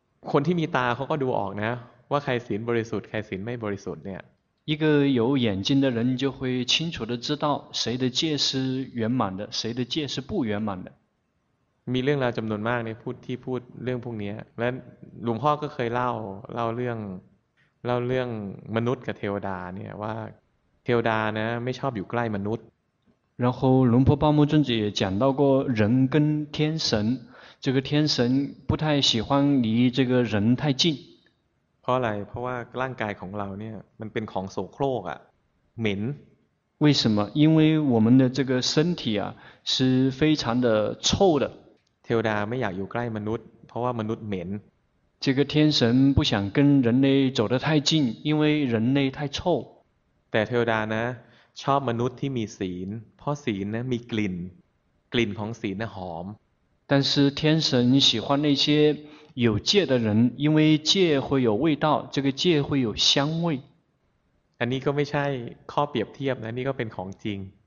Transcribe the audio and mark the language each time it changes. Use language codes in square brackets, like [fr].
[th] คนที่มีตาเขาก็ดูออกนะว่าใครศีลบริสุทธิ์ใครศีลไม่บริสุทธิ์เนี่ย [zh] 一个有眼睛的人就会清楚的知道谁的戒是圆满的谁的戒是不圆满的 [th] มีเรื่องราวจำนวนมากในที่พูดเรื่องพวกนี้และหลวงพ่อก็เคยเล่าเรื่องมนุษย์กับเทวดาเนี่ยว่าเทวดานะไม่ชอบอยู่ใกล้มนุษย์ [zh] 然后龙婆巴木尊者也讲到过人跟天神这个天神不太喜欢离这个人太近 [th] เพราะอะไรเพราะว่าร่างกายของเราเนี่ยมันเป็นของโสโครกอ่ะเหม็น [zh] 为什么因为我们的这个身体啊是非常的臭的 [th] เทวดาไม่อยากอยู่ใกล้มนุษย์เพราะว่ามนุษย์เหม็น [zh] 这个天神不想跟人类走得太近因为人类太臭 [th] แต่เทวดานะชอบมนุษย์ที่มีศีลเพราะศีลนะมีกลิ่นกลิ่นของศีลนะหอม [zh] 但是天神喜欢那些有戒的人因为戒会有味道这个戒会有香味 [th] อันนี้ก็ไม่ใช่ข้อเปรียบเทียบนะนี่ก็เป็นของจริง